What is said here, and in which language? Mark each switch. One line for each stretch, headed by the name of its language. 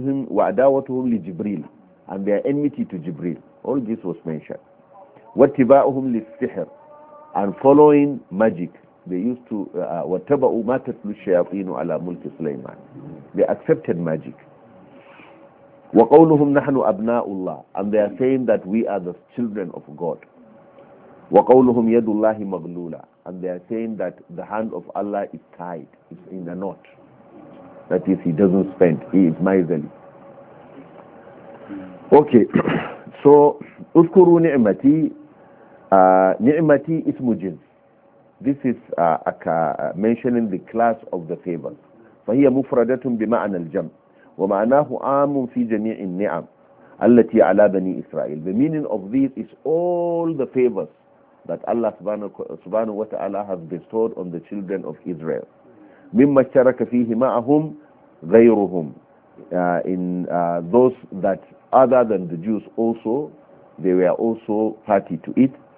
Arabic: وعداوتهم لجبريل,
English: and their enmity to Jibril. All this was mentioned.
Arabic: واتباعهم للسحر,
English: and following magic. They used to
Arabic: واتبعوا ما تتلو الشياطين على ملك سليمان.
English: They accepted magic.
Arabic: وقولهم نحن أبناء الله,
English: and they are saying that we are the children of God.
Arabic: وقولهم يد الله مغلولة,
English: and they are saying that the hand of Allah is tied, it's in a knot, that is, he doesn't spend, he is miserly. Okay, so
Arabic: اذكروا نعمتي, نعمتي اسم جنس.
English: This is mentioning the class of the favors.
Arabic: فهي مفردة بمعنى الجمع ومعناه عام في جميع النعم التي على بني إسرائيل.
English: The meaning of this is all the favors that Allah subhanahu wa ta'ala has bestowed on the children of Israel.
Arabic: مِمَّا شَرَكَ فِيهِ مَعَهُمْ غَيْرُهُمْ,
English: in those that other than the Jews also, they were also party to it.